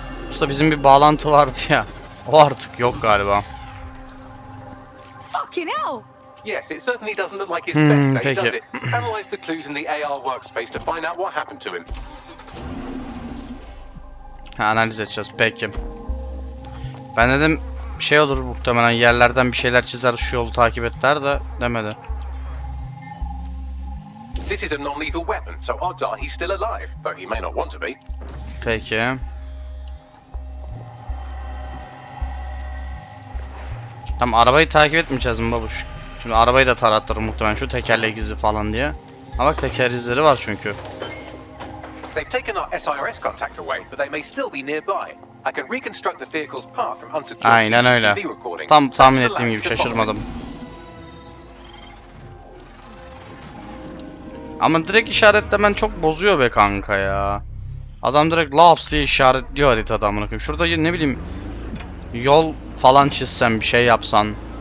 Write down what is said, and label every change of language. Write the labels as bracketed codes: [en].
[tr] Usta bizim bir bağlantı vardı ya. O artık yok galiba. [en] Fucking hell. Yes, it certainly doesn't look like his best day, does it? Analyze the clues in the AR workspace to find out what happened to him. [tr] Ha, analiz edeceğiz. Peki. Ben dedim şey olur muhtemelen yerlerden bir şeyler çizer şu yolu takip etler de demedi. [en] This is a non-lethal weapon, so odds are he's still alive, though he may not want to be. [tr] Peki. Tamam, arabayı takip etmeyeceğiz mi babuş? Şimdi arabayı da tarattırır muhtemelen şu tekerlek izi falan diye. Ama bak teker izleri var çünkü. [en] They've taken our SIRS contact away, but they may still be nearby. I can reconstruct the vehicle's path from unsecured CCTV recording. [tr] Aynen öyle. Tam tahmin ettiğim gibi şaşırmadım. Ama direkt işaretlemen çok bozuyor be kanka ya. Adam direkt laps diye işaretliyor harita adamını. Şurada ne bileyim yol falan çizsen bir şey yapsan.